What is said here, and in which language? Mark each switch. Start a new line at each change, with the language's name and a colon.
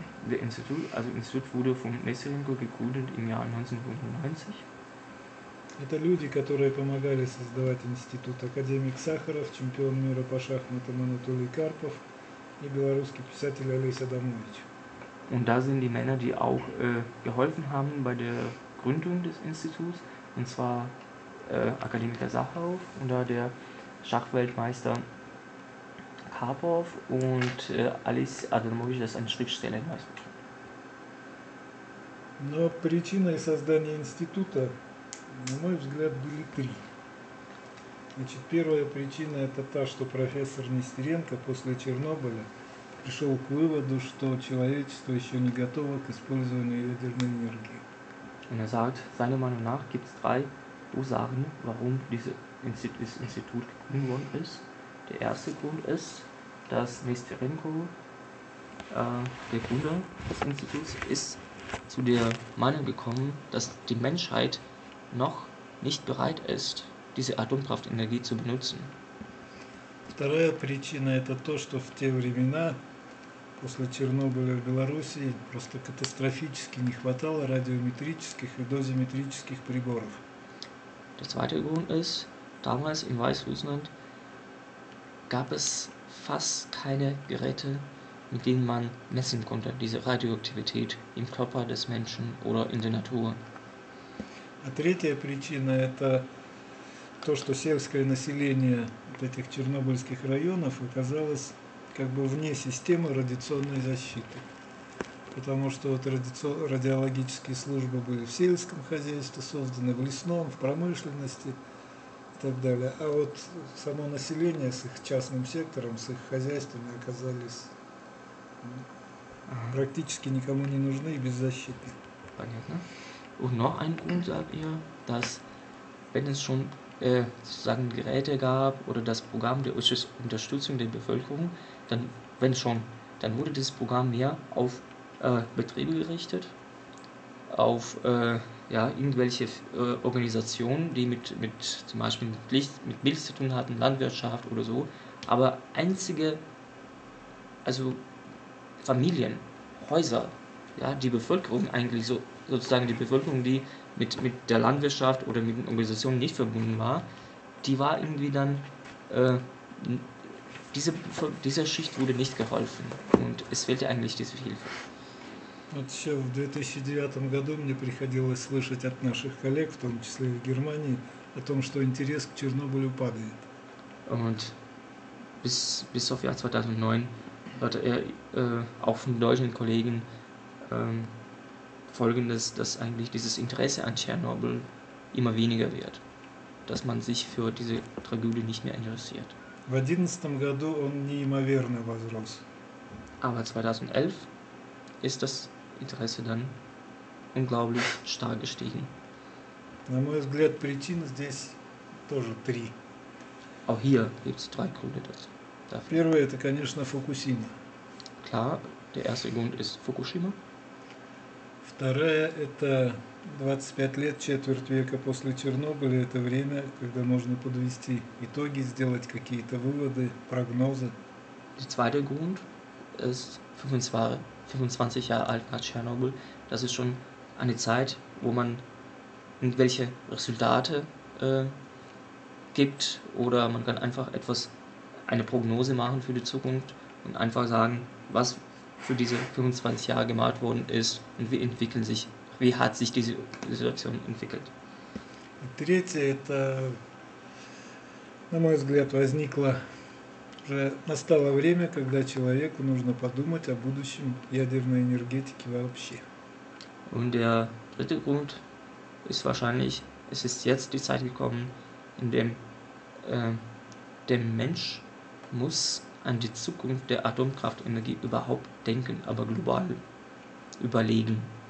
German: Der Institut, also Institut wurde von Nestorenko gegründet im Jahr 1995.
Russian: Это люди, которые помогали создавать институт. Академик Сахаров, чемпион мира по шахматам Анатолий Карпов и белорусский писатель Олесь Адамович.
German: Und da sind die Männer, die auch geholfen haben bei der Gründung des Instituts, und zwar Akademiker Sacharow oder der Schachweltmeister Karpov und Alice Adamovic, das ist ein Schriftsteller in Weißrussland.
Russian: Но причиной создания института, на мой взгляд, были три. Значит, первая причина – это та, что профессор Нестеренко после Чернобыля пришел к выводу, что человечество еще не готово к использованию ядерной энергии.
German: Und sagt, seiner Meinung nach gibt es drei Ursachen, warum dieses Institut gegründet worden ist. Der erste Grund ist, dass Nestorenko, der Gründer des Instituts, ist zu der Meinung gekommen, dass die Menschheit noch nicht bereit ist, diese Atomkraftenergie zu benutzen.
Russian: Вторая причина – это то, что в те времена после Чернобыля в Белоруссии просто катастрофически не хватало радиометрических и дозиметрических приборов.
German: Der zweite Grund ist, damals in Weißrussland gab es fast keine Geräte, mit denen man messen konnte, diese Radioaktivität im Körper des Menschen oder in der Natur.
Russian: А третья причина – это то, что сельское население этих чернобыльских районов оказалось как бы вне системы радиационной защиты. Потому что вот радиологические службы были в сельском хозяйстве созданы, в лесном, в промышленности и так далее. А вот само население с их частным сектором, с их хозяйствами оказались практически никому не нужны и беззащитны.
German: Zeitplan jetzt. Ne? Und noch ein Grund, sagt ihr, dass wenn es schon sozusagen Geräte gab oder das Programm der Unterstützung der Bevölkerung, dann, wenn schon, dann wurde das Programm mehr auf Betriebe gerichtet, auf ja, irgendwelche Organisationen, die mit zum Beispiel mit Licht, mit Milch zu tun hatten, Landwirtschaft oder so. Aber einzige, also Familien, Häuser, ja, die Bevölkerung eigentlich so, sozusagen die Bevölkerung, die mit der Landwirtschaft oder mit den Organisationen nicht verbunden war, die war irgendwie dann, diese Schicht wurde nicht geholfen und es fehlte eigentlich diese Hilfe.
Russian: Вот еще в 2009 году мне приходилось слышать от наших коллег, в том числе и в Германии, о том, что интерес к Чернобылю падает.
German: Und bis auf Jahr 2009 hatte er auch von deutschen Kollegen Folgendes, dass eigentlich dieses Interesse an Tschernobyl immer weniger wird, dass man sich für diese Tragödie nicht mehr interessiert.
Russian: В 2011 году он неимоверно возрос.
German: Aber 2011 ist das Interesse dann unglaublich stark gestiegen.
Russian: На мой взгляд, причин здесь тоже три.
German: Auch hier gibt es drei Gründe dazu.
Russian: Первое это, конечно, Фукусима.
German: Klar, der erste Grund ist Fukushima.
Russian: Второе это 25 лет, четверть века после Чернобыля, это время, когда можно подвести итоги, сделать какие-то выводы, прогнозы.
German: Der zweite Grund ist 25 Jahre alt nach Tschernobyl, das ist schon eine Zeit, wo man irgendwelche Resultate gibt oder man kann einfach etwas, eine Prognose machen für die Zukunft und einfach sagen, was für diese 25 Jahre gemacht worden ist und wie entwickeln sich, wie hat sich diese Situation entwickelt. Dritte,
Russian: это, на мой взгляд, возникло уже настало время, когда человеку нужно подумать о будущем ядерной энергетики вообще.
German: Und der dritte Grund ist wahrscheinlich, es ist jetzt die Zeit gekommen, in dem der Mensch muss an die Zukunft der Atomkraftenergie überhaupt denken, aber global überlegen.